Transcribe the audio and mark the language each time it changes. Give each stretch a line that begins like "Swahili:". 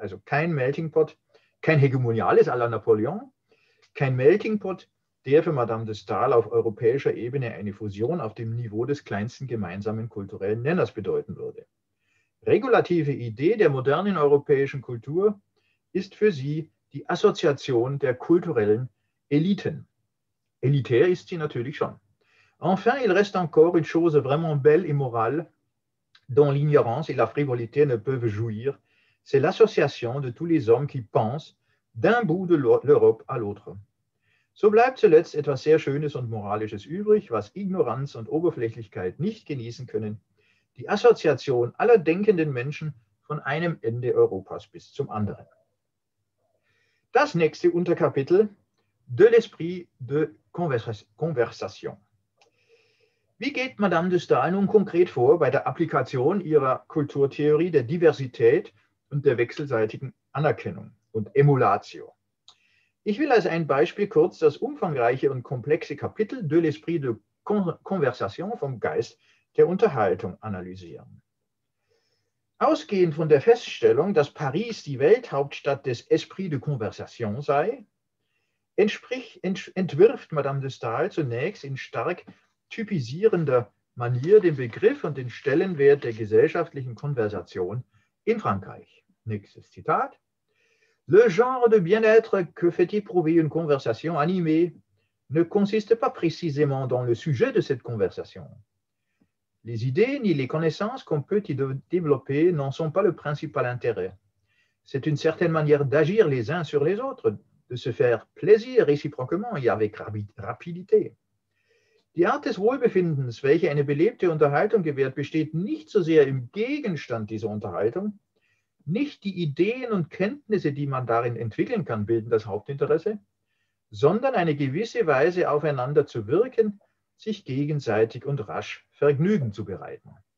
German: Also kein Melting Pot, kein hegemoniales à la Napoleon, kein Melting Pot, der für Madame de Stael auf europäischer Ebene eine Fusion auf dem Niveau des kleinsten gemeinsamen kulturellen Nenners bedeuten würde. Regulative Idee der modernen europäischen Kultur ist für sie die Assoziation der kulturellen Eliten. Elitär ist sie natürlich schon.
French: Enfin, il reste encore une chose vraiment belle et morale, dont l'ignorance et la frivolité ne peuvent jouir, c'est l'association de tous les hommes qui pensent d'un bout de l'Europe à l'autre.
German: So bleibt zuletzt etwas sehr Schönes und Moralisches übrig, was Ignoranz und Oberflächlichkeit nicht genießen können, die Assoziation aller denkenden Menschen von einem Ende Europas bis zum anderen. Das nächste Unterkapitel, de l'esprit de conversation. Wie geht Madame de Stael nun konkret vor bei der Applikation ihrer Kulturtheorie der Diversität und der wechselseitigen Anerkennung und Emulatio? Ich will als ein Beispiel kurz das umfangreiche und komplexe Kapitel de l'esprit de conversation, vom Geist der Unterhaltung, analysieren. Ausgehend von der Feststellung, dass Paris die Welthauptstadt des esprit de conversation sei, entwirft Madame de Stael zunächst in stark typisierender Manier den Begriff und den Stellenwert der gesellschaftlichen Konversation in Frankreich. Nächstes Zitat.
French: Le genre de bien-être que fait éprouver une conversation animée ne consiste pas précisément dans le sujet de cette conversation. Les idées ni les connaissances qu'on peut y développer n'en sont pas le principal intérêt. C'est une certaine manière d'agir les uns sur les autres, de se faire plaisir réciproquement et avec rapidité.
German: Die Art des Wohlbefindens, welche eine belebte Unterhaltung gewährt, besteht nicht so sehr im Gegenstand dieser Unterhaltung. Nicht die Ideen und Kenntnisse, die man darin entwickeln kann, bilden das Hauptinteresse, sondern eine gewisse Weise, aufeinander zu wirken, sich gegenseitig und rasch Vergnügen zu bereiten.